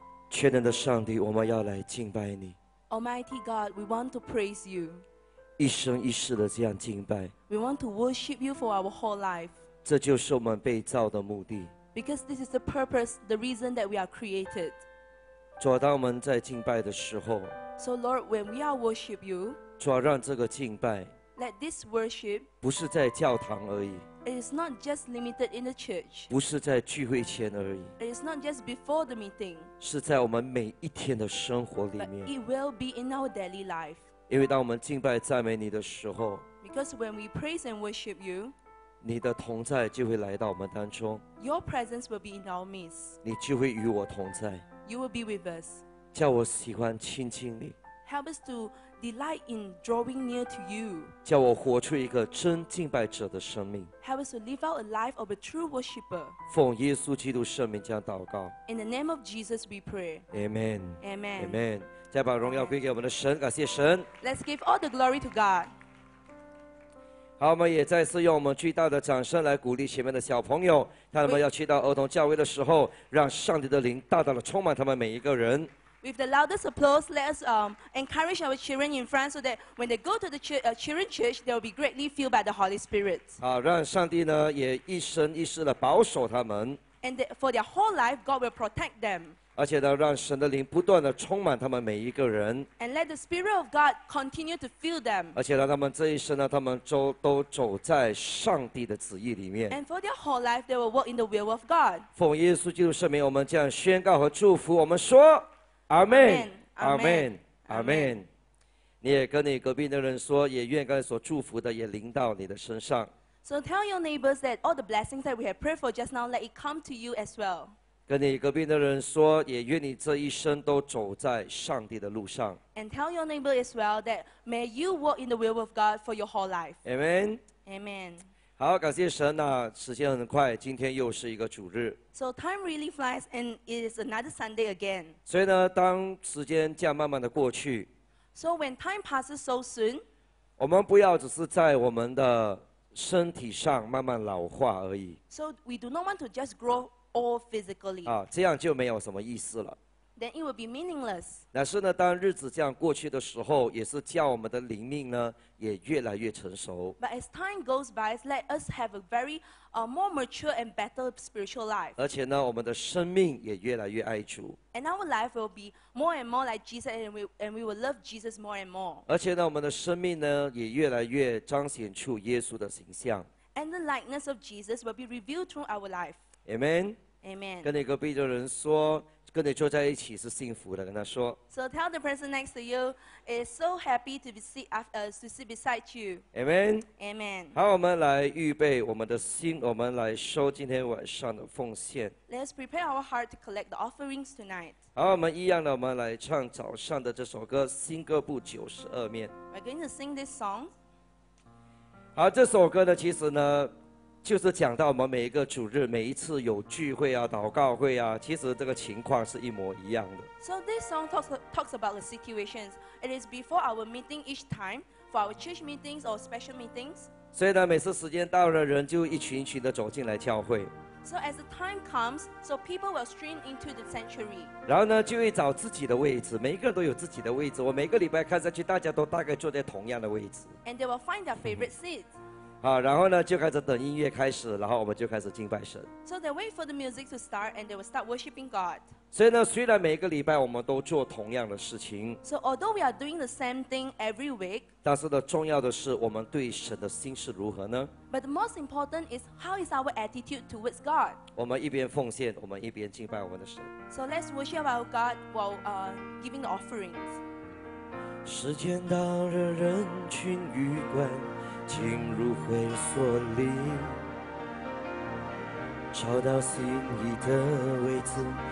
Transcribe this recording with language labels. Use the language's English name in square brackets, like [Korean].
[Chinese] 全能的上帝，我们要来敬拜你。 [English] Almighty God, we want to praise you. [Chinese] 一生一世的这样敬拜。 [English] We want to worship you for our whole life. [Chinese] 这就是我们被造的目的。 [English] Because this is the purpose, the reason that we are created. [Chinese] 主啊，当我们在敬拜的时候。 [English] So Lord, when we are worship you. [Chinese] 主啊，让这个敬拜。 [English] Let this worship. [Chinese] 不是在教堂而已。 [English] It is not just limited in the church. [Chinese] 不是在聚会前而已。 [English] It is not just before the meeting. [Chinese] 是在我们每一天的生活里面。 [English] But it will be in our daily life. [Chinese] 因为当我们敬拜赞美你的时候。 [English] Because when we praise and worship you. [Chinese] 你的同在就会来到我们当中。 [English] Your presence will be in our midst. [Chinese] 你就会与我同在。 [English] You will be with us. [Chinese] 叫我喜欢亲近你。 [English] Help us to delight in drawing near to you. [Chinese] 叫我活出一个真敬拜者的生命。 [English] Help us to live out a life of a true worshipper. [Chinese] 奉耶稣基督圣名这样祷告。 [English] In the name of Jesus, we pray. Amen. Amen. Amen. [Chinese] 再把荣耀归给我们的神，感谢神。 [English] Let's give all the glory to God. [Chinese] 好，我们也再次用我们巨大的掌声来鼓励前面的小朋友。当他们要去到儿童教会的时候，让上帝的灵大大的充满他们每一个人。 [English] With the loudest applause, let us encourage our children in front so that when they go to the children's church, they will be greatly filled by the Holy Spirit. [Chinese] 让上帝呢也一生一世的保守他们。 [English] And for their whole life, God will protect them. [Chinese] 而且呢，让神的灵不断的充满他们每一个人。 [English] And let the Spirit of God continue to fill them. [Chinese] 而且让他们这一生呢，他们都走在上帝的旨意里面。 [English] And for their whole life, they will walk in the will of God. [Chinese] 奉耶稣基督圣名，我们这样宣告和祝福，我们说。阿门，阿门，阿门。你也跟你隔壁的人说，也愿刚才所祝福的也临到你的身上。 [English] So tell your neighbors that all the blessings that we have prayed for just now, let it come to you as well. [Chinese] 跟你隔壁的人说，也愿你这一生都走在上帝的路上。 [English] And tell your neighbor as well that may you walk in the will of God for your whole life. Amen. Amen. [Chinese] 好，感谢神呐、啊！时间很快，今天又是一个主日。 [English] So time really flies, and it is another Sunday again. [Chinese] 所以呢，当时间这样慢慢的过去 [English] ，So when time passes so soon, [Chinese] 我们不要只是在我们的身体上慢慢老化而已。 [English] So we do not want to just grow old physically. [Chinese] 啊，这样就没有什么意思了。 [English] Then it will be meaningless. [Chinese] 但是呢，当日子这样过去的时候，也是叫我们的灵命呢。也越来越成熟。 [English] But as time goes by, let us have a very, more mature and better spiritual life. [Chinese] 而且呢，我们的生命也越来越爱主。 [English] And our life will be more and more like Jesus, and we will love Jesus more and more. [Chinese] 而且呢，我们的生命呢，也越来越彰显出耶稣的形象。 [English] And the likeness of Jesus will be revealed through our life. Amen. Amen. [Chinese] 跟你隔壁的人说，跟你坐在一起是幸福的，跟他说。 [English] So tell the person next to you. It's so happy to be sit beside you. Amen. Amen. [Chinese] 好，我们来预备我们的心，我们来收今天晚上的奉献。 [English] Let's prepare our heart to collect the offerings tonight. [Chinese] 好，我们一样的，我们来唱早上的这首歌《新歌部九十二面》。 [English] We're going to sing this song. [Chinese] 好，这首歌呢，其实呢，就是讲到我们每一个主日，每一次有聚会啊、祷告会啊，其实这个情况是一模一样的。 [English] So this song talks about the situations. It is before our meeting each time for our church meetings or special meetings. [Chinese] 所以呢，每次时间到了，人就一群一群的走进来教会。 [English] So as the time comes, so people will stream into the sanctuary. [Chinese] 然后呢，就会找自己的位置。每一个人都有自己的位置。我每个礼拜看上去，大家都大概坐在同样的位置。 [English] And they will find their favorite seats. [Chinese] 好，然后呢，就开始等音乐开始，然后我们就开始敬拜神。 [English] So they wait for the music to start, and they will start worshiping God. [Chinese] 所以呢，虽然每个礼拜我们都做同样的事情 [English] ，So although we are doing the same thing every week， [Chinese] 但是呢，重要的是我们对神的心是如何呢 [English] ？But the most important is how is our attitude towards God？ [Chinese] 我们一边奉献，我们一边敬拜我们的神。 [English] So let's worship our God while giving the offerings。 [Chinese] 时间到了，人群鱼贯进入会所里，找到心仪的位置。